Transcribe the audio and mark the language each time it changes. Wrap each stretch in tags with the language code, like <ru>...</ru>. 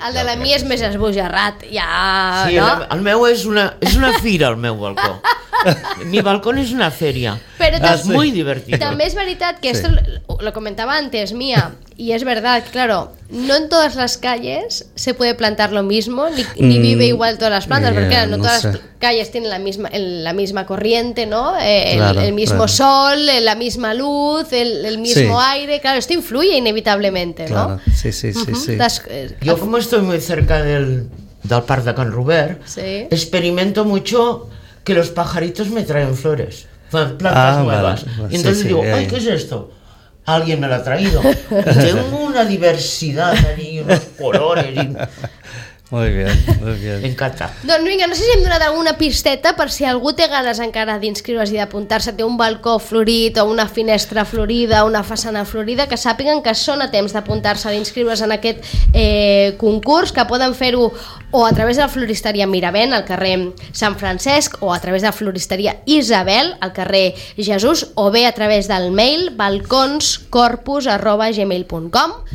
<ca>El de la Mia és més esbojarrat, ja, sí, no? Sí, el meu és una fira, el meu balcó.</ca> <es>Mi balcón es una feria. Es muy divertido. También es verdad que esto lo comentaba antes, Mía, y es verdad, claro, no en todas las calles se puede plantar lo mismo, ni vive igual todas las plantas, porque claro, no todas las calles tienen la misma corriente, ¿no? El mismo sol, la misma luz, el mismo aire, claro, esto influye inevitablemente, claro, ¿no? Sí. Yo como estoy muy cerca del parc de Can Robert, experimento mucho que los pajaritos me traen flores, plantas nuevas. Y entonces digo, ay, ¿qué es esto? Alguien me lo ha traído. Tengo una diversidad ahí, unos colores. Muy bien, muy bien.</es> <ca>M'encanta. Doncs vinga, no sé si hem donat alguna pisteta per si algú té ganes encara d'inscriure's i d'apuntar-se, té un balcó florit o una finestra florida, una façana florida, que sàpiguen que són a temps d'apuntar-se a inscriure's en aquest concurs, que poden fer-ho o a través de la floristeria Miravent al carrer Sant Francesc, o a través de la floristeria Isabel al carrer Jesús, o bé a través del mail balconscorpus@gmail.com.</ca>